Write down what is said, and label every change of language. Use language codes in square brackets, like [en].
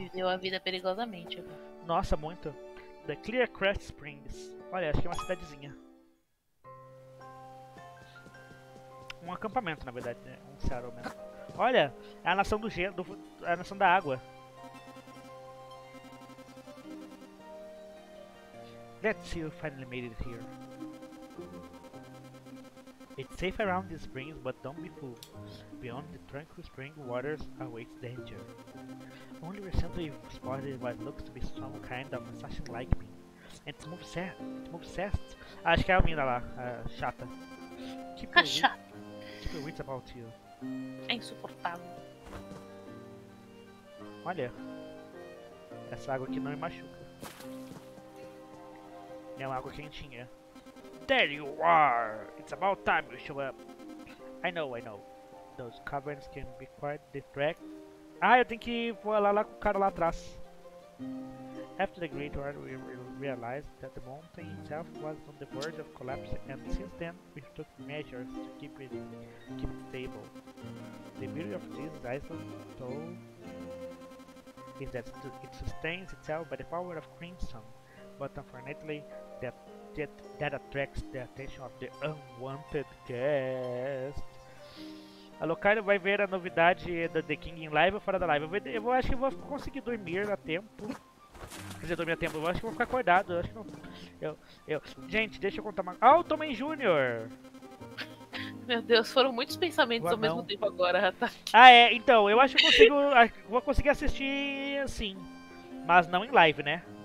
[pt] Viveu a vida perigosamente agora. Nossa, muito. The Clear Crest Springs. Olha, acho que é uma cidadezinha. Um acampamento, na verdade, né? Um Seattle mesmo. Olha, é a nação do gelo, é a nação da água. [en] Let's see if you finally made it here. It's safe around these springs, but don't be fooled. Beyond the tranquil spring waters awaits danger. Only recently you've spotted what looks to be some kind of assassin like me. And it moves fast. [pt] Ah, acho que é a mina lá, a chata. [en] Keep [pt] a chata. [en] Keep your wits about you. [pt] É insuportável. Olha. Essa água aqui não me machuca. É uma água quentinha. [en] There you are! It's about time you show up! I know. Those caverns can be quite the track. [pt] Ah, eu tenho que voar lá com o cara lá atrás. [en] After the Great War, we realized that the mountain itself was on the verge of collapse, and since then, we took measures to keep it stable. The beauty of this island, though, is that it sustains itself by the power of crimson, but unfortunately, that attracts the attention of the unwanted guest. [pt] A Locario vai ver a novidade do The King em live ou fora da live? Eu acho que vou conseguir dormir a tempo. Quer dizer, dormir a tempo, eu acho que vou ficar acordado. Eu acho que gente, deixa eu contar uma. Ah, o Tommy Jr. Meu Deus, foram muitos pensamentos ao mesmo tempo agora, tá? Ah, é, então, eu acho que vou conseguir assistir assim. mas não em live, né?